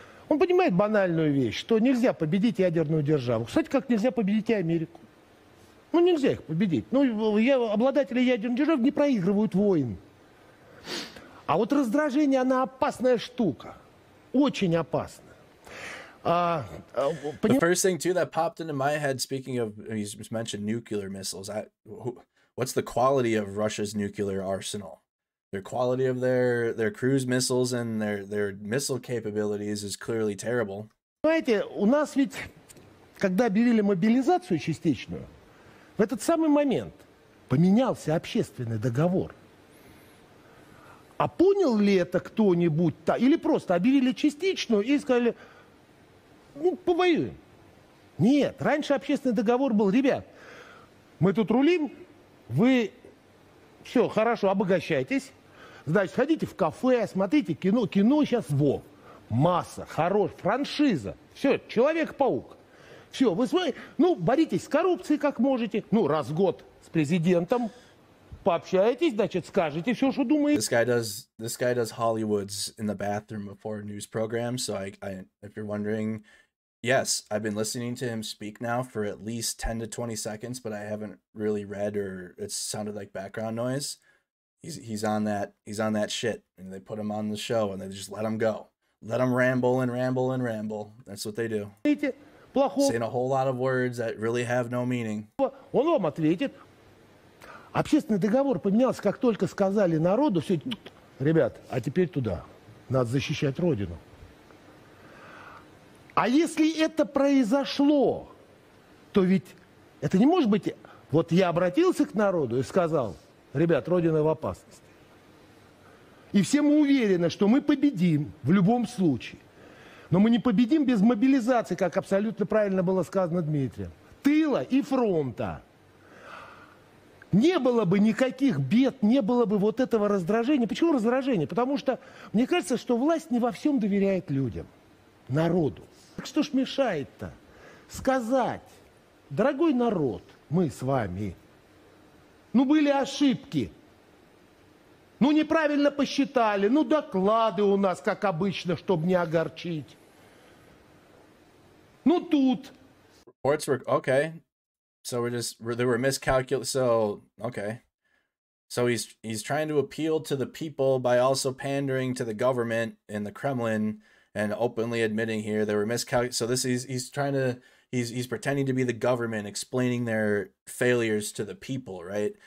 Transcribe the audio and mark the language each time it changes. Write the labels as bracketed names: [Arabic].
[Russian] Он понимает банальную вещь, что нельзя победить ядерную державу. Кстати, как нельзя победить и Америку. Ну, нельзя их победить. Ну, обладатели ядерной державы не проигрывают войн. А вот раздражение, она опасная штука. Очень опасная. [English] The first thing too that popped into my head, speaking of, he's mentioned nuclear missiles. What's the quality of Russia's nuclear arsenal? Their quality of their cruise missiles and their missile capabilities is clearly terrible. [Russian] Знаете, у нас ведь когда объявили мобилизацию частичную, в этот самый момент поменялся общественный договор. А понял ли это кто-нибудь? Или просто объявили частичную и сказали? Ну, повоюем. Нет, раньше общественный договор был, ребят, мы тут рулим, вы все, хорошо, обогащайтесь, значит, ходите в кафе, смотрите кино, кино сейчас, во, масса, хорош, франшиза, все, Человек-паук, все, вы смотрите, ну, боритесь с коррупцией как можете, ну, раз в год с президентом. Пообщаетесь, значит, скажете все, что думаете. [English] This guy does Hollywood's in the bathroom before news programs. So I if you're wondering, yes, I've been listening to him speak now for at least 10 to 20 seconds, but I haven't really read or it sounded like background noise. He's on that shit, and they put him on the show and they just let him go. Let him ramble and ramble and ramble. That's what they do. [Russian] плохого. [English] Saying a whole lot of words that really have no meaning. [Russian] Он вам ответит. Общественный договор поменялся, как только сказали народу, все, ребят, а теперь туда. Надо защищать Родину. А если это произошло, то ведь это не может быть... Вот я обратился к народу и сказал, ребят, Родина в опасности. И все мы уверены, что мы победим в любом случае. Но мы не победим без мобилизации, как абсолютно правильно было сказано Дмитрием. Тыла и фронта. Не было бы никаких бед, не было бы вот этого раздражения. Почему раздражение? Потому что мне кажется, что власть не во всем доверяет людям, народу. Так что ж мешает-то сказать, дорогой народ, мы с вами, ну были ошибки, ну неправильно посчитали, ну доклады у нас, как обычно, чтобы не огорчить. Ну тут. [English] Reports were, okay. So we're just, they were miscalculated, so, okay. So he's trying to appeal to the people by also pandering to the government and the Kremlin and openly admitting here they were miscalculated. So this is, he's pretending to be the government explaining their failures to the people, right?